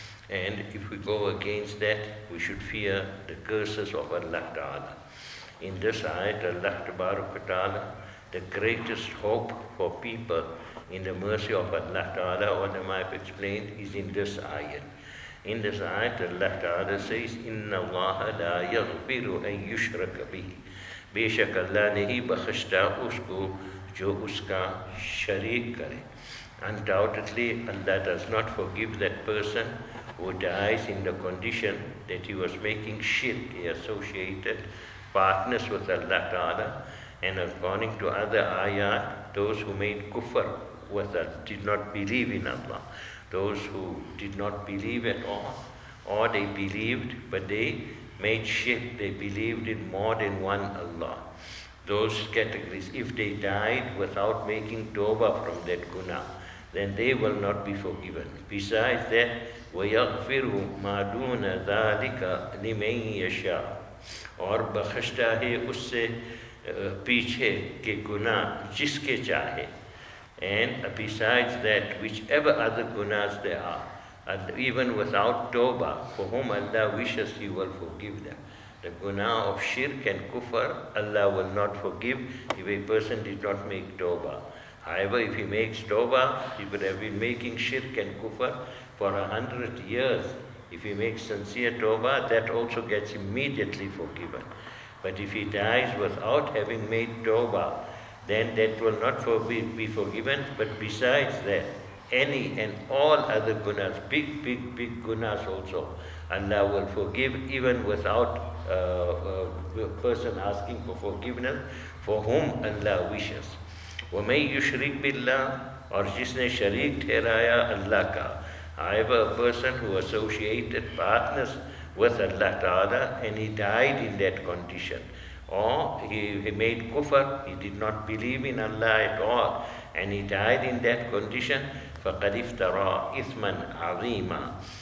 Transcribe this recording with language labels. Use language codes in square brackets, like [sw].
[en] And if we go against that, we should fear the curses of Allah Ta'ala. In this ayat, Allah Ta'ala, the greatest hope for people in the mercy of Allah Ta'ala, what I have explained, is in this ayat. In this ayat, Allah Ta'ala says, [ar] إِنَّ اللَّهَ لَا يَغْفِرُ أَن يُشْرَكَ بِهِ. [ur] بے شک اللہ نے ہی بخشتا اس کو جو اس کا شریک کرے. [en] Undoubtedly, Allah does not forgive that person who dies in the condition that he was making shirk, he associated partners with Allah Ta'ala. And according to other ayat, those who made kufr with Allah, did not believe in Allah, those who did not believe at all, or they believed but they made shirk, they believed in more than one Allah. Those categories, if they died without making tawbah from that guna, then they will not be forgiven. Besides that, [ar] وَيَغْفِرُ مَا دُونَ ذَٰلِكَ لِمَنْ يَشَاءُ. [ur] اور بخشتا ہے اس سے پیچھے کے گناہ جس کے چاہے. [en] And besides that, whichever other gunas there are, and even without tawbah, for whom Allah wishes, He will forgive them. The guna of shirk and kufr, Allah will not forgive if a person did not make tawbah. However, if he makes tawbah, he would have been making shirk and kufr for 100 years. If he makes sincere tawbah, that also gets immediately forgiven. But if he dies without having made tawbah, then that will not be forgiven. But besides that, any and all other gunas, big, big, big gunas also, Allah will forgive even without a person asking for forgiveness, for whom Allah wishes. [ar] وَمَنْ يُشْرِكْ بِاللَّهِ. [ur] اور جس نے شریک ٹھہرایا اللہ کا. [en] However, a person who associated partners with Allah Ta'ala and he died in that condition, or he made kufr, he did not believe in Allah at all, and he died in that condition, [ar] فَقَدْ افْتَرَى إِثْمًا عَظِيمًا.